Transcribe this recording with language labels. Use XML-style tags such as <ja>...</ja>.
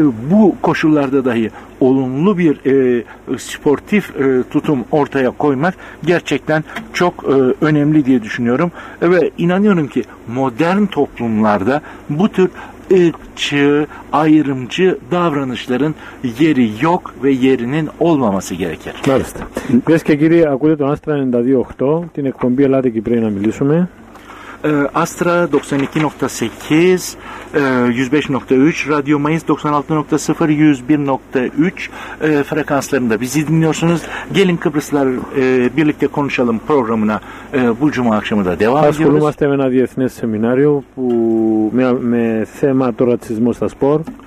<tr>Bu koşullarda dahi olumlu bir sportif tutum ortaya koymak gerçekten çok önemli diye düşünüyorum. Ve inanıyorum ki modern toplumlarda bu tür ırkçı, ayrımcı davranışların yeri yok ve yerinin olmaması gerekir.</tr> <el>Μάλιστα. Πες και κύριε, ακούτε τον Άστρα 92.8, την εκπομπή «Ελάτε και πρέπει να μιλήσουμε».</el> <tr>Astra 92.8, 105.3, Radyo Mayıs 96.0, 101.3 frekanslarında bizi dinliyorsunuz. Gelin Kıbrıslılar birlikte konuşalım programına bu cuma akşamı da devam ediyoruz.</tr> <el>Ασχολούμαστε με ένα διεθνές σεμινάριο με θέμα το ρατσισμό στα σπορ.</el>